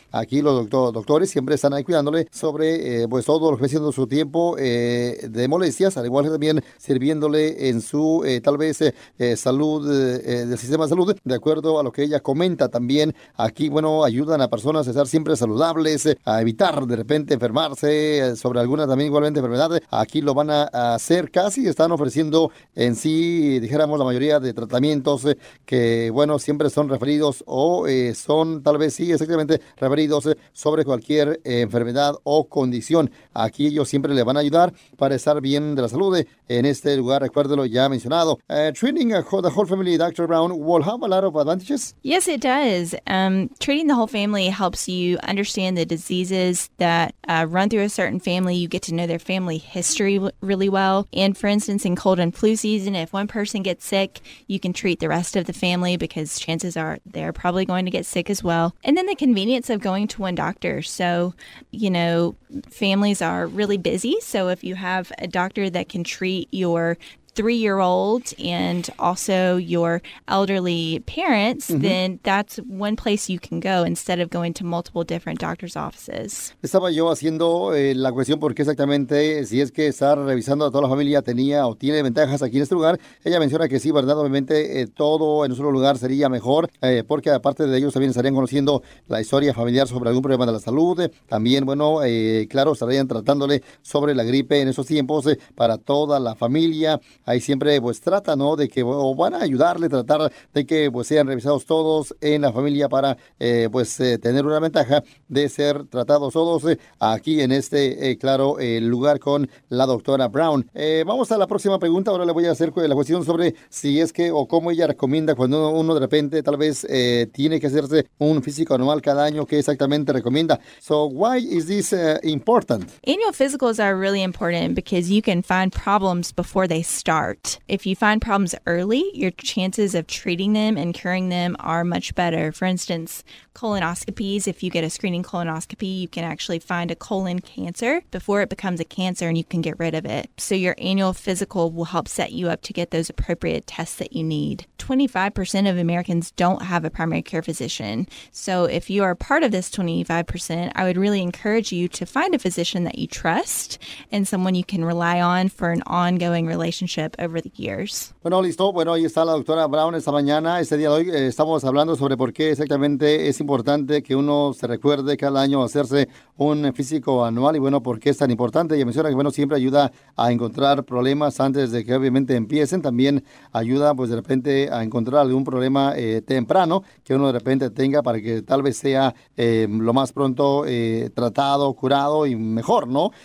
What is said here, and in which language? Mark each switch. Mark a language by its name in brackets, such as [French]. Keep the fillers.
[Spanish] Aquí los doctor, doctores siempre están ahí cuidándole sobre pues todo lo que haciendo su tiempo de molestias, al igual que también sirviéndole en su tal vez salud del sistema de salud de acuerdo a lo que ella comenta también aquí bueno ayudan a personas a estar siempre saludables a evitar de repente enfermarse sobre alguna también igualmente enfermedad aquí lo van a hacer casi están ofreciendo en sí dijéramos la mayoría de tratamientos que bueno siempre son referidos o eh, son tal vez sí exactamente referidos sobre cualquier eh, enfermedad o condición aquí ellos siempre le van a ayudar para estar bien de la salud en este lugar recuérdelo ya mencionado uh, [English] training a whole, the whole family Dr. Brown will have a lot of advantages yes it does um, treating the whole family helps you understand the diseases that uh, run through a certain family. You get to know their family history w- really well. And for instance, in cold and flu season, if one person gets sick, you can treat the rest of the family because chances are they're probably going to get sick as well. And then the convenience of going to one doctor. So, you know, families are really busy. So if you have a doctor that can treat your three year old and also your elderly parents, mm-hmm. then that's one place you can go instead of going to multiple different doctor's offices. [Spanish] Estaba yo haciendo eh, la cuestión porque exactamente si es que estar revisando a toda la familia tenía o tiene ventajas aquí en este lugar. Ella menciona que sí, ¿verdad? Obviamente eh, todo en un solo lugar sería mejor eh, porque aparte de ellos también estarían conociendo la historia familiar sobre algún problema de la salud. también, bueno, claro, estarían tratándole sobre la gripe en esos tiempos para toda la familia ahí siempre pues trata, ¿no? De que o van a ayudarle, tratar de que pues sean revisados todos en la familia para eh, pues eh, tener una ventaja de ser tratados todos eh, aquí en este, claro, lugar con la doctora Brown. vamos a la próxima pregunta, ahora le voy a hacer la cuestión sobre si es que o cómo ella recomienda cuando uno, de repente tal vez tiene que hacerse un físico anual cada año, ¿qué exactamente recomienda? [English] So, why is this uh, important? Annual physicals are really important because you can find problems before they start. Start. If you find problems early, your chances of treating them and curing them are much better. For instance, colonoscopies, if you get a screening colonoscopy, you can actually find a colon cancer before it becomes a cancer and you can get rid of it. So your annual physical will help set you up to get those appropriate tests that you need. 25% of Americans don't have a primary care physician. So if you are part of this 25%, I would really encourage you to find a physician that you trust and someone you can rely on for an ongoing relationship Over the years. [Spanish] Bueno, listo. Bueno, ahí está la doctora Brown esta mañana. Este día de hoy eh, estamos hablando sobre por qué exactamente es importante que uno se recuerde cada año hacerse un físico anual y bueno, por qué es tan importante. Y menciona que bueno, siempre ayuda a encontrar problemas antes de que obviamente empiecen. También ayuda pues de repente a encontrar algún problema eh, temprano que uno de repente tenga para que tal vez sea eh, lo más pronto tratado, curado y mejor, ¿no?